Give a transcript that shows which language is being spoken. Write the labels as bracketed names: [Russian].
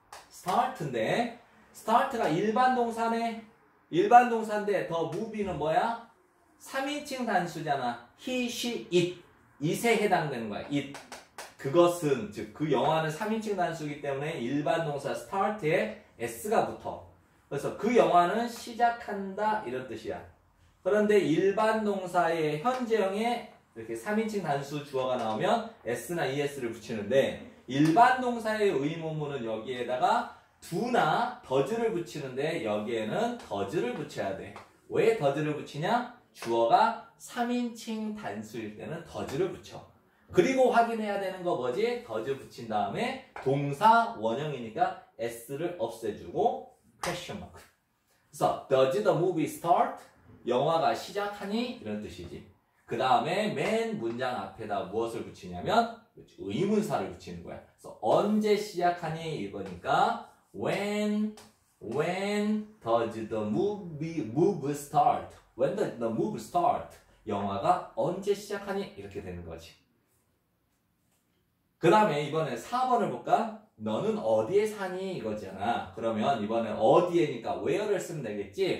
[Korean] start인데 start가 일반 동사네. 일반 동사인데 [English] the movie [Korean] 는 뭐야? 3인칭 단수잖아. [English] he, she, it [Korean] it에 해당되는 거야. it 그것은, 즉 그 영화는 3인칭 단수이기 때문에 일반 동사 start에 s가 붙어. 그래서 그 영화는 시작한다 이런 뜻이야. 그런데 일반 동사의 현재형에 이렇게 3인칭 단수 주어가 나오면 s나 es를 붙이는데 일반 동사의 의문문은 여기에다가 do나 does를 붙이는데 여기에는 does를 붙여야 돼. 왜 does를 붙이냐? 주어가 3인칭 단수일 때는 does를 붙여. 그리고 확인해야 되는 거 뭐지? 더즈 붙인 다음에 동사 원형이니까 S를 없애주고 [English] question mark. 그래서 Does the movie start? [Korean] 영화가 시작하니? 이런 뜻이지. 그 다음에 맨 문장 앞에다 무엇을 붙이냐면 의문사를 붙이는 거야. 그래서 언제 시작하니? [English] 이거니까 When does the movie start? When does the movie start? [Korean] 영화가 언제 시작하니? 이렇게 되는 거지. 그 다음에 이번에 4번을 볼까? 너는 어디에 사니? 이거잖아. 그러면 이번에 어디에니까 where를 쓰면 되겠지?